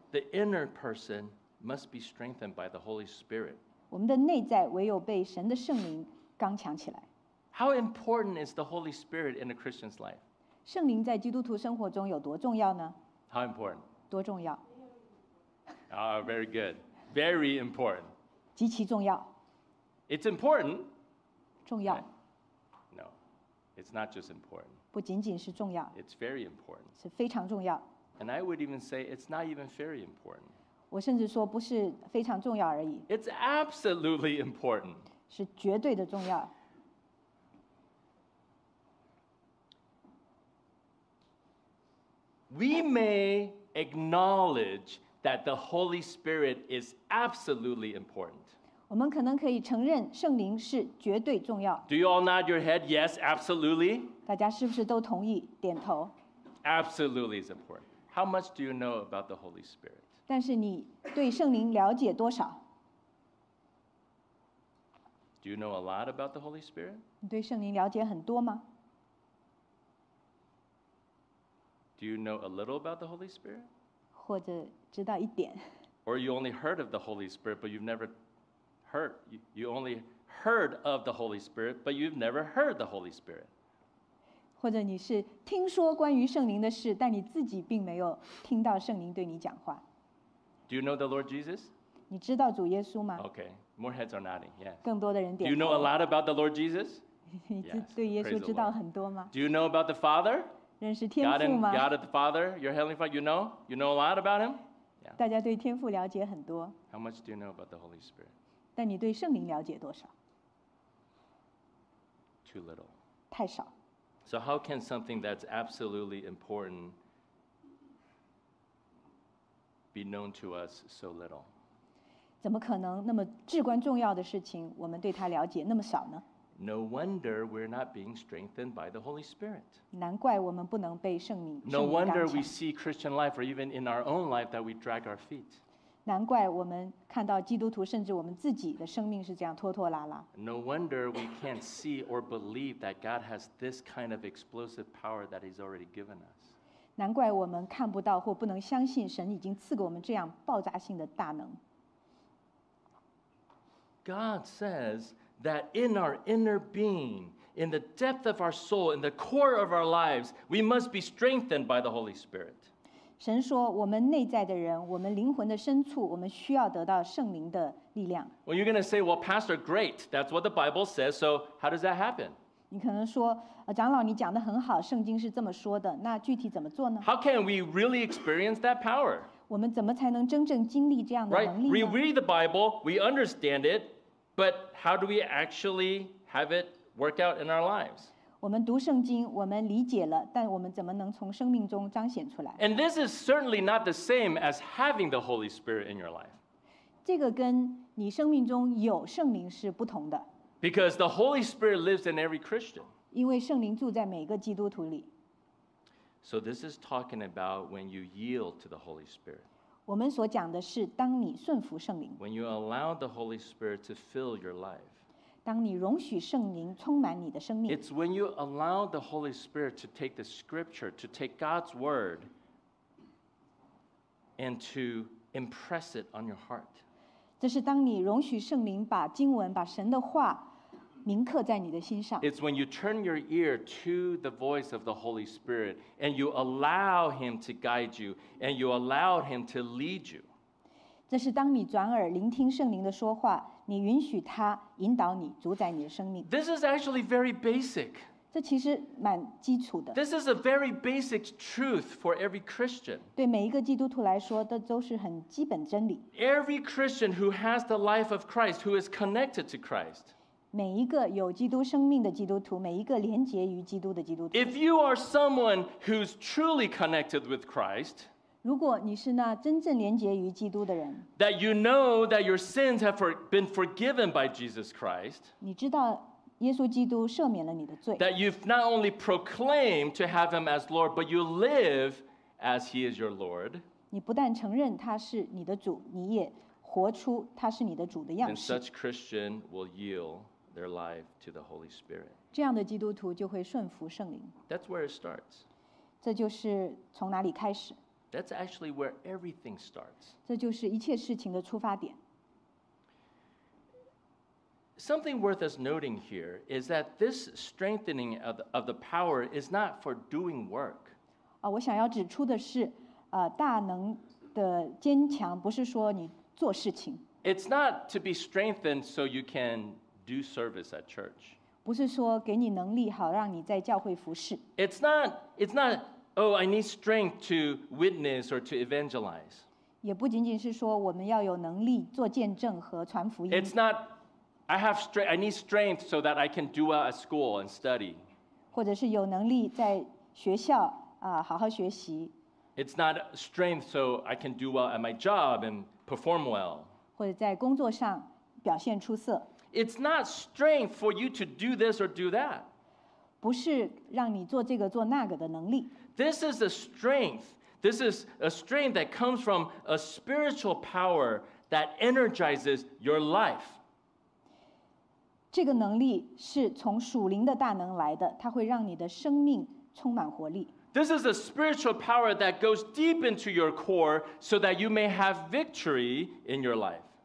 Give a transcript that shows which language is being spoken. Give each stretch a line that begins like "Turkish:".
English: The inner person must be strengthened by the Holy Spirit.
Chinese: 我们的内在唯有被神的圣灵刚强起来。
English: How important is the Holy Spirit in a Christian's life?
Chinese: 圣灵在基督徒生活中有多重要呢？
English: How important?
Chinese: 多重要？
English: Ah, very good. Very important.
Chinese: 极其重要。
English: It's important.
Chinese: 重要。
English: No, it's not just important.
Chinese: 不仅仅是重要。
English: It's very important.
Chinese: 是非常重要。
English: And I would even say it's not even very important.
Chinese: 我甚至说不是非常重要而已。
English: It's absolutely important.
Chinese: 是绝对的重要。
English: We may acknowledge that the Holy Spirit is absolutely important.
Chinese: 我们可能可以承认圣灵是绝对重要。
English: Do you all nod your head? Yes, absolutely.
Chinese: 大家是不是都同意？点头。
English: Absolutely is important. How much do you know about the Holy Spirit?
Chinese: 但是你对圣灵了解多少？
English: Do you know a lot about the Holy Spirit?
Chinese: 你对圣灵了解很多吗？
English: Do you know a little about the Holy Spirit?
Chinese: 或者知道一点？
English: Or you only heard of the Holy Spirit, but you've never heard. You only heard of the Holy Spirit, but you've never heard the Holy Spirit.
Chinese: 或者你是听说关于圣灵的事，但你自己并没有听到圣灵对你讲话。
English: Do you know the Lord Jesus?
Chinese: 你知道主耶稣吗？
English: Okay, more heads are nodding. Yes.
Chinese: 更多的人点头。
English: Do you know a lot about the Lord Jesus?
Chinese: 你对耶稣知道很多吗？
English: Do you know about the Father?
Chinese: 认识天父吗？
English: God the Father, your heavenly Father, you know? You know a lot about him?
Chinese: Yeah. 大家对天父了解很多。
English: How much do you know about the Holy Spirit?
Chinese: 但你对圣灵了解多少？
English: Too little.
Chinese: 太少。
English: So how can something that's absolutely important be known to us so little?
Chinese: 怎么可能那么至关重要的事情，我们对它了解那么少呢？
English: No wonder we're not being strengthened by the Holy Spirit.
Chinese: 难怪我们不能被圣灵。
English: No wonder we see Christian life, or even in our own life, that we drag our feet.
Chinese: 难怪我们看到基督徒，甚至我们自己的生命是这样拖拖拉拉。
English: No wonder we can't see or believe that God has this kind of explosive power that He's already given us.
Chinese: 难怪我们看不到或不能相信神已经赐给我们这样爆炸性的大能。
English: God says that in our inner being, in the depth of our soul, in the core of our lives, we must be strengthened by the Holy Spirit.
Chinese: 神说，我们内在的人，我们灵魂的深处，我们需要得到圣灵的力量。
English: Well, you're going to say, well, Pastor, great. That's what the Bible says. So how does that happen?
Chinese: 你可能说，长老，你讲得很好，圣经是这么说的。那具体怎么做呢？
English: How can we really experience that power?
Chinese: 我们怎么才能真正经历这样的能力呢？
English: Right, we read the Bible, we understand it, but how do we actually have it work out in our lives?
Chinese: 我们读圣经，我们理解了，但我们怎么能从生命中彰显出来？
English: And this is certainly not the same as having the Holy Spirit in your life.
Chinese: 这个跟你生命中有圣灵是不同的。
English: Because the Holy Spirit lives in every Christian.
Chinese: 因为圣灵住在每个基督徒里。
English: So this is talking about when you yield to the Holy Spirit.
Chinese: 我们所讲的是当你顺服圣灵。
English: When you allow the Holy Spirit to fill your life.
Chinese: 当你容许圣灵充满你的生命。
English: It's when you allow the Holy Spirit to take the scripture, to take God's word, and to impress it on your heart.
Chinese: 这是当你容许圣灵把经文，把神的话铭刻在你的心上。
English: It's when you turn your ear to the voice of the Holy Spirit and you allow Him to guide you and you allow Him to lead you.
Chinese: 这是当你转耳聆听圣灵的说话，你允许他引导你，主宰你的生命。
English: This is actually very basic.
Chinese: 这其实蛮基础的。
English: This is a very basic truth for every Christian.
Chinese: 对每一个基督徒来说，这都是很基本真理。
English: Every Christian who has the life of Christ, who is connected to Christ.
Chinese: 每一个有基督生命的基督徒，每一个连结于基督的基督徒。
English: If you are someone who's truly connected with Christ,
Chinese: 如果你是那真正连结于基督的人，
English: that you know that your sins have been forgiven by Jesus Christ,
Chinese: 你知道耶稣基督赦免了你的罪，
English: that you've not only proclaimed to have Him as Lord, but you live as He is your Lord,
Chinese: 你不但承认他是你的主，你也活出他是你的主的样式。
English: Then such Christian will yield. Their life to the Holy Spirit.
Chinese: 这样的基督徒就会顺服圣灵。
English: That's where it starts.
Chinese: 这就是从哪里开始。
English: That's actually where everything starts.
Chinese: 这就是一切事情的出发点。
English: Something worth us noting here is that this strengthening of the power is not for doing work.
Chinese: 我想要指出的是，大能的坚强不是说你做事情。
English: It's not to be strengthened so you can. Do service at church.
Chinese: 不是说给你能力好让你在教会服事。
English: It's not. Oh, I need strength to witness or to evangelize.
Chinese: 也不仅仅是说我们要有能力做见证和传福音。
English: It's not. I have strength. I need strength so that I can do well at school and study.
Chinese: 或者是有能力在学校好好学习。
English: It's not strength so I can do well at my job and perform well.
Chinese: 或者在工作上表现出色。
English: It's not strength for you to do this or do that.
Chinese: 不是让你做这个做那个的能力。
English: This is a strength. This is a strength that comes from a spiritual power that energizes your life.
Chinese: 这个能力是从属灵的大能来的，它会让你的生命充满活力。
English: This is a spiritual power that goes deep into your core so that you may have victory in your life.